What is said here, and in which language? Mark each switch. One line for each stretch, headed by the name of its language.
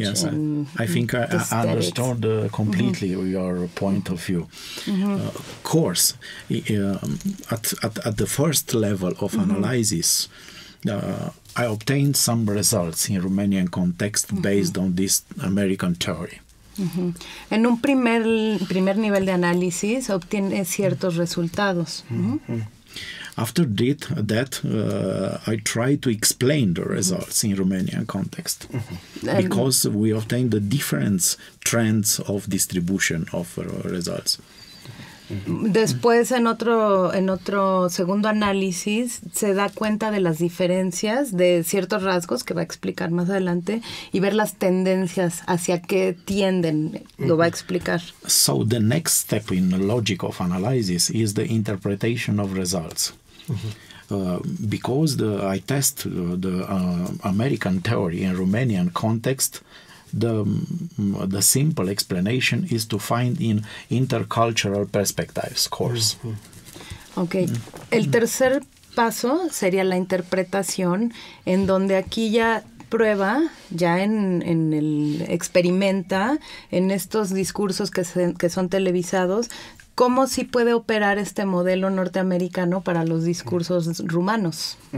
English: Yes, I think I understood completely your point of view. Of course, at the first level of analysis, I obtained some results in Romanian context based on this American theory.
Spanish: En un primer nivel de análisis obtiene ciertos resultados.
English: After that, I try to explain the results in Romanian context because we obtained the different trends of distribution of results.
Spanish: Después, en otro segundo análisis, se da cuenta de las diferencias de ciertos rasgos que va a explicar más adelante y ver las tendencias hacia qué tienden, lo va a explicar.
English: So the next step in the logic of analysis is the interpretation of results. Because I test the American theory in Romanian context, the simple explanation is to find in intercultural perspectives course. Okay.
Spanish: El tercer paso sería la interpretación, en donde aquí ya prueba, ya en el experimenta, en estos discursos que son televisados, cómo sí puede operar este modelo norteamericano para los discursos rumanos.